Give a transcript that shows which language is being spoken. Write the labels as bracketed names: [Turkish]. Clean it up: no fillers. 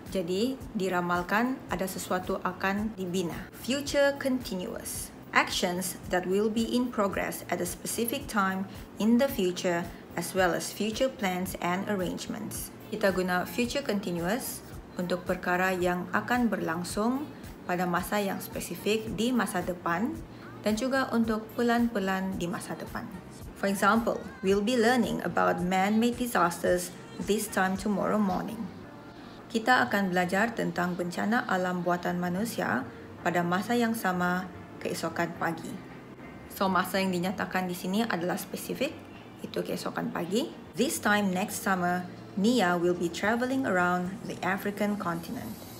[Malay] Jadi, diramalkan ada sesuatu akan dibina. [English] Future continuous. Actions that will be in progress at a specific time in the future as well as future plans and arrangements. [Malay] Kita guna future continuous untuk perkara yang akan berlangsung pada masa yang spesifik di masa depan dan juga untuk pelan-pelan di masa depan. [English] For example, we'll be learning about man-made disasters this time tomorrow morning. [Malay] kita akan belajar tentang bencana alam buatan manusia pada masa yang sama keesokan pagi. So, masa yang dinyatakan di sini adalah spesifik, itu keesokan pagi. [English] This time next summer, Nia will be traveling around the African continent.